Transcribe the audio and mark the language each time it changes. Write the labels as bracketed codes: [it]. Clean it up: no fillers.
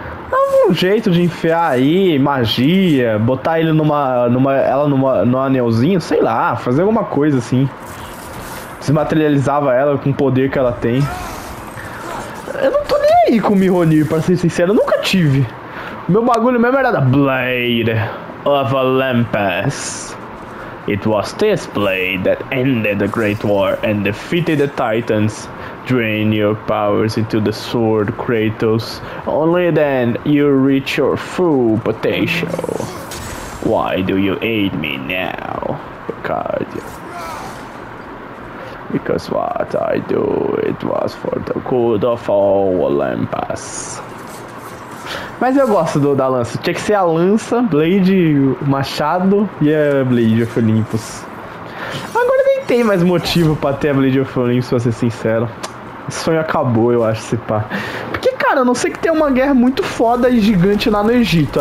[pt] Dava um jeito de enfiar aí, magia, botar ele numa anelzinho, sei lá, fazer alguma coisa assim. Desmaterializava ela com o poder que ela tem. Eu não tô nem aí com o Mjolnir, pra ser sincero, eu nunca tive. O meu bagulho mesmo era da Blade of Olympus. [en] It was this blade that ended the great war and defeated the titans. Drain your powers into the sword, Kratos. Only then you reach your full potential. Why do you aid me now, Picardia? Because what I do, it was for the good of all Olympus. [pt] Mas eu gosto da lança. Tinha que ser a lança, Blade, machado e a Blade of Olympus. Agora nem tem mais motivo pra ter a Blade of Olympus, pra ser sincero. Esse sonho acabou, eu acho, se pá. Porque, cara, a não ser que tenha uma guerra muito foda e gigante lá no Egito.